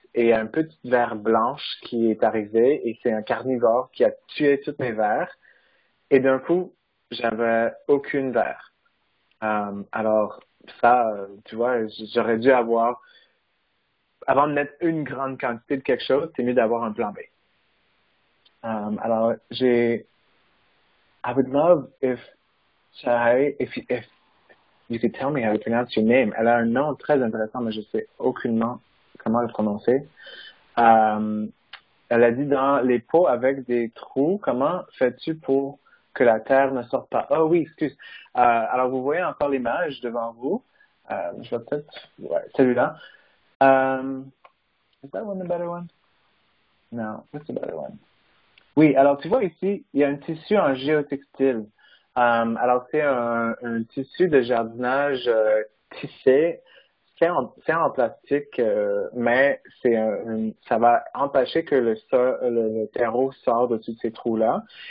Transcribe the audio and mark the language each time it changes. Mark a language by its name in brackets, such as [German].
[French] Et il y a un petit ver blanche qui est arrivé. Et c'est un carnivore qui a tué tous mes vers. Et d'un coup, j'avais aucune vers. Alors, ça, tu vois, j'aurais dû avoir, avant de mettre une grande quantité de quelque chose, c'est mieux d'avoir un plan B. Alors, j'ai. [English] I would love if Shahai, if you could tell me how to pronounce your name. [French] Elle a un nom très intéressant, mais je sais aucunement comment le prononcer. Elle a dit dans les pots avec des trous, comment fais-tu pour que la terre ne sorte pas? Oh oui, excuse. Alors vous voyez encore l'image devant vous. Je vais peut-être, ouais, celui-là. [English] Is that one the better one? No, that's the better one. [French] Oui, alors tu vois ici, il y a un tissu en géotextile. Alors c'est un tissu de jardinage tissé, fait en plastique, mais ça va empêcher que le terreau sorte de tous ces trous-là.